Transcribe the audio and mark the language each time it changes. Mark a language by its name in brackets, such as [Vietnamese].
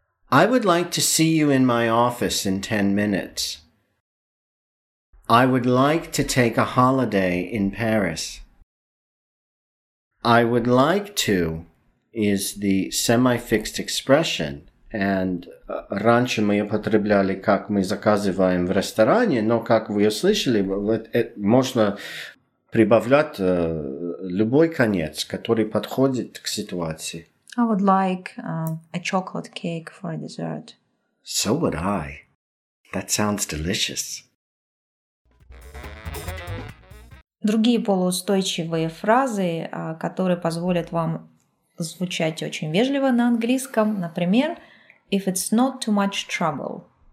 [English] I would like to see you in my office in 10 minutes. I would like to take a holiday in Paris. I would like to is the semi-fixed expression. [Russian] And раньше мы употребляли, как мы заказываем в ресторане, но, как вы услышали, можно прибавлять любой конец, который подходит к ситуации. [English] I would like a chocolate cake for a dessert. So would I. That sounds delicious. [Russian] Другие полуустойчивые фразы, которые позволят вам звучать очень вежливо на английском, например, [English] if it's not too much trouble.